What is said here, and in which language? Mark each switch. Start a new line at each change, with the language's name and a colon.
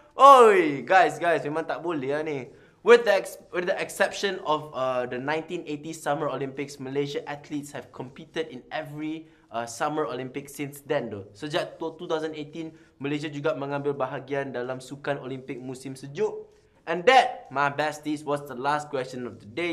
Malay: Oi, guys, memang tak boleh lah ni.
English: With the exception of the 1980 Summer Olympics, Malaysia athletes have competed in every Summer Olympics since then though.
Malay: Sejak 2018, Malaysia juga mengambil bahagian dalam Sukan Olimpik Musim Sejuk.
English: And that, my besties, was the last question of the day.